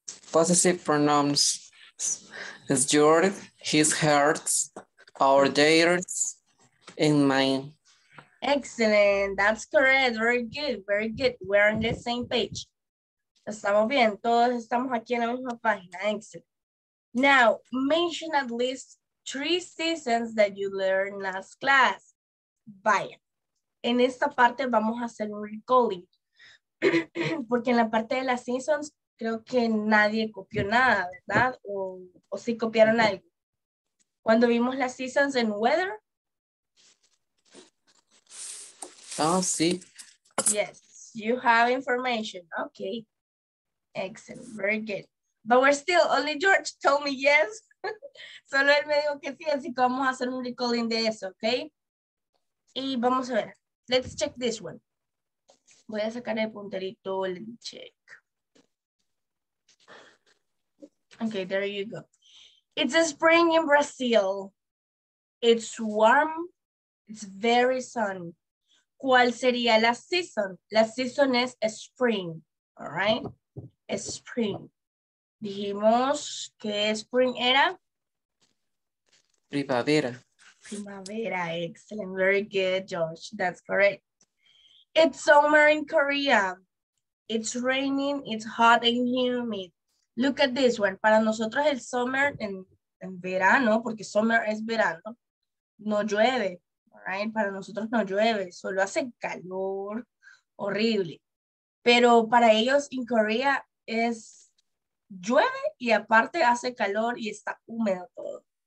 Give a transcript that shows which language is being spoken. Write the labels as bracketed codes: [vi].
[en] Possessive pronouns is your, his, hers, our, theirs, and mine. Excellent. That's correct. Very good. Very good. We're on the same page. [es] Estamos bien. Todos estamos aquí en la misma página. [en] Excellent. Now, mention at least 3 seasons that you learned last class. [es] Vaya. En esta parte vamos a hacer un recalling. Porque en la parte de las seasons, creo que nadie copió nada, ¿verdad? O sí copiaron algo. Cuando vimos las seasons en weather. Oh, sí. [en] Yes, you have information. Okay. Excellent. Very good. But we're still, only George told me yes. [es] Solo él me dijo que sí, así que vamos a hacer un recalling de eso, ¿ok? Y vamos a ver. [en] Let's check this one. [es] Voy a sacar el punterito, [en] let me check. Okay, there you go. It's a spring in Brazil. It's warm. It's very sunny. [es] ¿Cuál sería la season? La season es spring, [en] all right? [es] Spring. Dijimos que spring era? Primavera. Primavera, [en] excellent. Very good, George. That's correct. It's summer in Korea. It's raining, it's hot and humid. Look at this one. [es] Para nosotros el summer, en verano, porque summer es verano, no llueve. [en] Right? [es] Para nosotros no llueve, solo hace calor horrible. Pero para ellos en Corea es llueve y aparte hace calor y está húmedo todo.